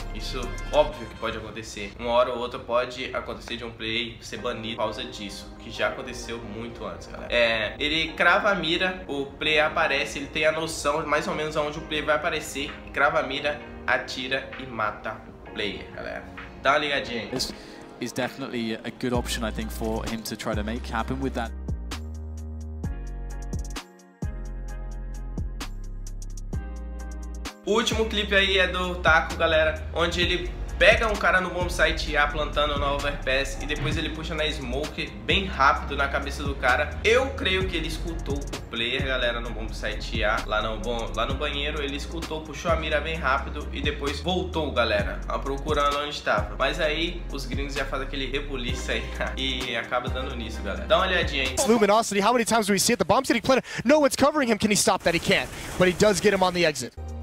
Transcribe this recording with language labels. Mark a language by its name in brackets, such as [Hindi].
[Portuguese] Isso, óbvio que pode acontecer. Uma hora ou outra pode acontecer de um play ser banido por causa disso, que já aconteceu muito antes, galera. É, ele crava a mira, o play aparece, ele tem a noção mais ou menos aonde o play vai aparecer, crava a mira, atira e mata o player, galera. Dá uma ligadinha. [English] This is definitely a good option, I think, for him to try to make happen with that. [Portuguese] O último clipe aí é do Taco, galera, onde ele pega um cara no bombsite A plantando na overpass e depois ele puxa na smoke bem rápido na cabeça do cara. Eu creio que ele escutou o player, galera, no bombsite A, lá no banheiro, ele escutou, puxou a mira bem rápido e depois voltou, galera, procurando onde estava. Mas aí os gringos já fazem aquele rebuliço aí e acaba dando nisso, galera. Dá uma olhadinha aí. [English] Luminosity, how many times do we see it? The bomb's getting planted. No one's covering him. Can he stop that? He can't. But he does get him on the exit.